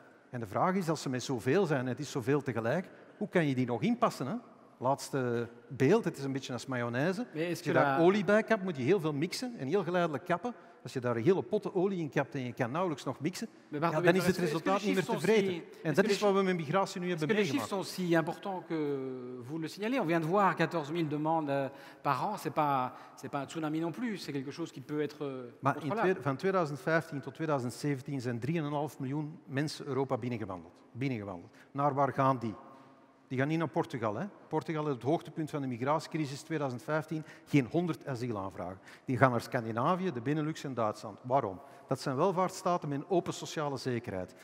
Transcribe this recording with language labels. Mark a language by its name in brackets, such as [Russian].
[Dutch] En de vraag is, als ze met zoveel zijn, het is zoveel tegelijk, hoe kan je die nog inpassen? Hè? Laatste beeld, het is een beetje als mayonaise. Nee, als je daar olie bij kapt, moet je heel veel mixen en heel geleidelijk kappen. Als je daar een hele potte olie in kapt en je kan nauwelijks nog mixen, ja, dan is het resultaat niet meer tevreden. En dat is wat we met migratie nu hebben meegemaakt. [French] Les chiffres sont si importants que vous le signalez. On vient de voir 14 000 demandes par an. C'est pas un tsunami non plus. C'est quelque chose qui peut être. [Dutch] Maar van 2015 tot 2017 zijn 3,5 miljoen mensen Europa binnengewandeld. Naar waar gaan die? Die gaan niet naar Portugal. Hè. Portugal is het hoogtepunt van de migratiecrisis 2015. Geen 100 asielaanvragen. Die gaan naar Scandinavië, de Benelux en Duitsland. Waarom? Dat zijn welvaartsstaten met een open sociale zekerheid.